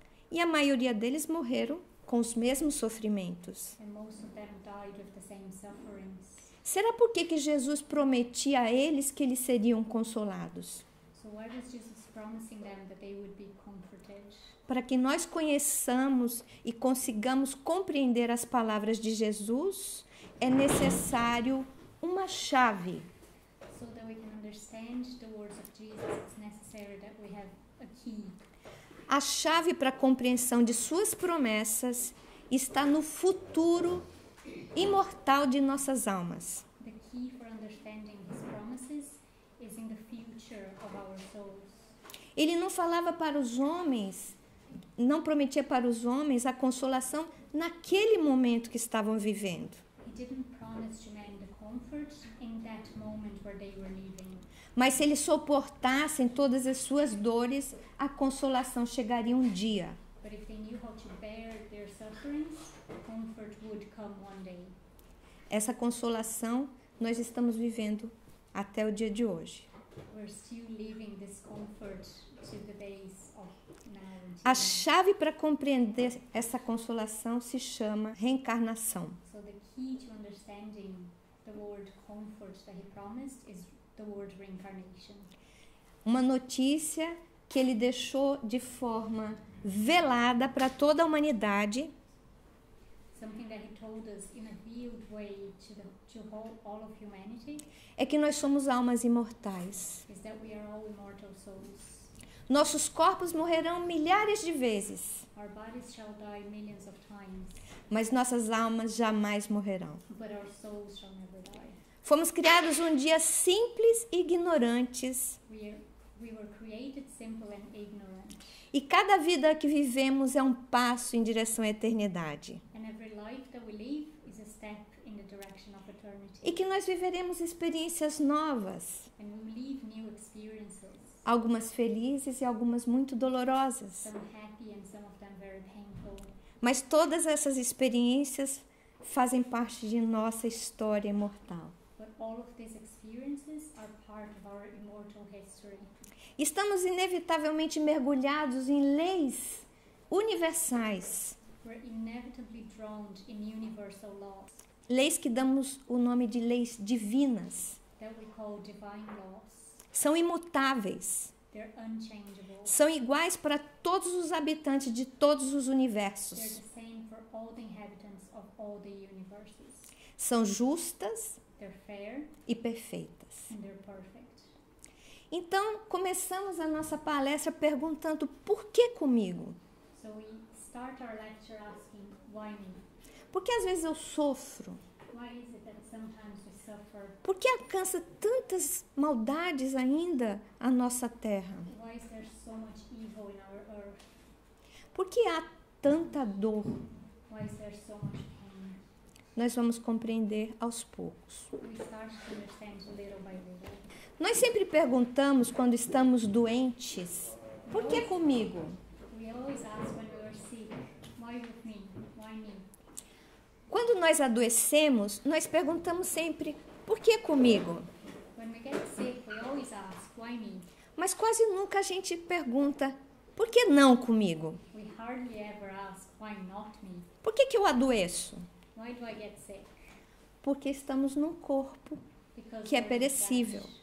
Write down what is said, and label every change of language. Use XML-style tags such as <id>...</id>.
<pt>E a maioria deles morreram com os mesmos sofrimentos.</pt> <en>And most of them died with the same sufferings.</en> <pt>Será por que Jesus prometia a eles que eles seriam consolados?</pt> <en>So why was Jesus promising them that they would be comforted?</en> <pt>Para que nós conheçamos e consigamos compreender as palavras de Jesus, é necessário uma chave.</pt> <en>So that we can understand the words of Jesus, it's necessary that we have a key.</en> <pt>A chave para a compreensão de suas promessas está no futuro imortal de nossas almas.</pt> <en>The key for understanding his promises is in the future of our souls.</en> <pt>Ele não falava para os homens, não prometia para os homens a consolação naquele momento que estavam vivendo.</pt> <en>He didn't promise to men the comfort in that moment where they were living.</en> <pt>Mas se eles suportassem todas as suas dores, a consolação chegaria um dia.</pt> <en>But if they knew how to bear their sufferings, comfort would come one day.</en> <pt>Essa consolação nós estamos vivendo até o dia de hoje.</pt> <en>We're still living this comfort to the days of now.</en> <pt>A chave para compreender essa consolação se chama reencarnação.</pt> <en>So the key to understanding the word comfort that he promised is the word reincarnation.</en> <pt>Uma notícia que ele deixou de forma velada para toda a humanidade.</pt> <en>Something that he told us in a veiled way to all of humanity.</en> <pt>É que nós somos almas imortais.</pt> <en>Is that we are all immortal souls.</en> <pt>Nossos corpos morrerão milhares de vezes.</pt> <en>Our bodies shall die millions of times.</en> <pt>Mas nossas almas jamais morrerão.</pt> <en>But our souls shall never die.</en> <pt>Fomos criados um dia simples e ignorantes.</pt> <en>We were created simple and ignorant.</en> <pt>E cada vida que vivemos é um passo em direção à eternidade.</pt> <en>And every life that we live is a step in the direction of eternity.</en> <pt>E que nós viveremos experiências novas.</pt> <en>And we live new experiences.</en> <pt>Algumas felizes e algumas muito dolorosas.</pt> <en>Some happy and some of them very painful.</en> <pt>Mas todas essas experiências fazem parte de nossa história imortal.</pt> <en>But all of these experiences are part of our immortal history.</en> <pt>Estamos inevitavelmente mergulhados em leis universais.</pt> <en>We're inevitably drawn in universal laws.</en> <pt>Leis que damos o nome de leis divinas.</pt> <en>That we call divine laws.</en> <pt>São imutáveis.</pt> <en>They're unchangeable.</en> <pt>São iguais para todos os habitantes de todos os universos.</pt> <en>They're the same for all the inhabitants of all the universes.</en> <pt>São justas.</pt> <en>They're fair.</en> <pt>E perfeitas.</pt> <en>And they're perfect.</en> <pt>Então, começamos a nossa palestra perguntando por que comigo?</pt> <en>So we start our lecture asking, why me?</en> <pt>Porque às vezes eu sofro.</pt> <en>Why is it that sometimes we suffer? suffer?</en> <pt>Por que alcança tantas maldades ainda a nossa terra?</pt> <en>Why is there so much evil in our earth?</en> <pt>Por que há tanta dor?</pt> <en>Why is there so much pain?</en> <pt>Nós vamos compreender aos poucos.</pt> <en>We start to understand little by little.</en> <pt>Nós sempre perguntamos quando estamos doentes, por que comigo?</pt> <en>We always ask when we are sick, why with me? Why me?</en> <pt>Quando nós adoecemos, nós perguntamos sempre, por que comigo?</pt> <en>When we get sick, we always ask, why me?</en> <pt>Mas quase nunca a gente pergunta, por que não comigo?</pt> <en>We hardly ever ask, why not me?</en> <pt>Por que que eu adoeço?</pt> <en>Why do I get sick?</en> <pt>Porque estamos num corpo que é perecível.</pt>